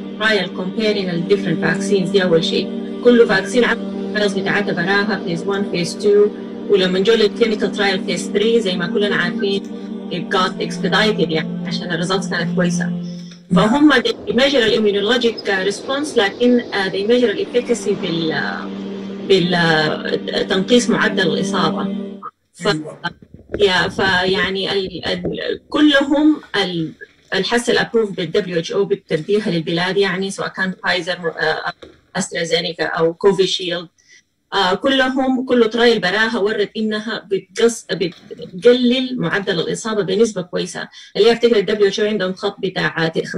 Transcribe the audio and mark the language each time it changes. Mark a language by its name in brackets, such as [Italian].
[English] trial comparing the different vaccines [Arabic] دي أول شيء كل فاكسين عمل [English] trials [Arabic] بتاعته براها [English] phase 1 phase 2 [Arabic] ولما نجول الكلينيكال ترايل فيس 3 زي ما كلنا عارفين [English] it got expedited [Arabic] يعني عشان الريزلتس كانت كويسة. [English] فهم they measure the immunologic response لكن they measure the efficacy [Arabic] بالتنقيص معدل الإصابة. فيعني كلهم الحسن أبروف بالدبليو اتش او بالتنبيه للبلاد يعني سواء كان فايزر أسترازينيكا أو كوفي شيلد كلهم كله ترايل براها ورد إنها بتقلل معدل الإصابة بنسبة كويسة اللي أفتكر الدبليو اتش او عندهم خط بتاع 50%